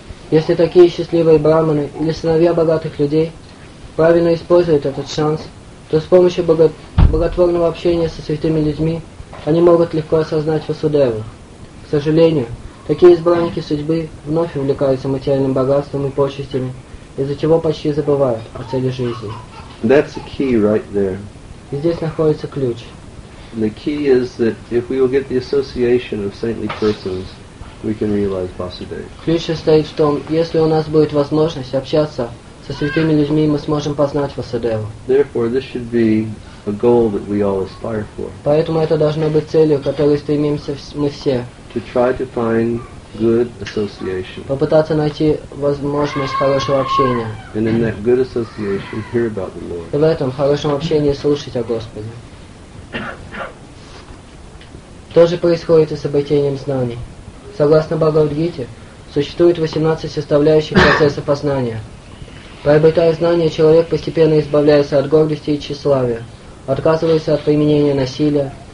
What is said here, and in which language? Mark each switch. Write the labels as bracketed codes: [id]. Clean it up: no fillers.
[ru] Если такие счастливые брахманы или сыновья богатых людей правильно используют этот шанс, то с помощью боготворного общения со святыми людьми они могут легко осознать Васудеву. К сожалению, такие избранники судьбы вновь увлекаются материальным богатством и почестями, из-за чего почти забывают о цели жизни. [en] That's a key right there. [ru] И здесь находится ключ. [en] The key is that if we will get the association of saintly persons, we can realize Vasudeva. [ru] Ключ состоит в том, если у нас будет возможность общаться со святыми людьми, мы сможем познать Васудеву. [en] Therefore, this should be a goal that we all aspire for. [ru] Поэтому это должно быть целью, к которой стремимся мы все. [en] To try to find good association. [ru] Попытаться найти возможность хорошего общения. [en] And in that good association, hear about the Lord. [ru] И в этом хорошем общении слушать о Господе. То же происходит и с обретением знаний. Согласно Бхагавад-гите, существует 18 составляющих процесса познания. Приобретая знания, человек постепенно избавляется от гордости и тщеславия, отказывается от применения насилия,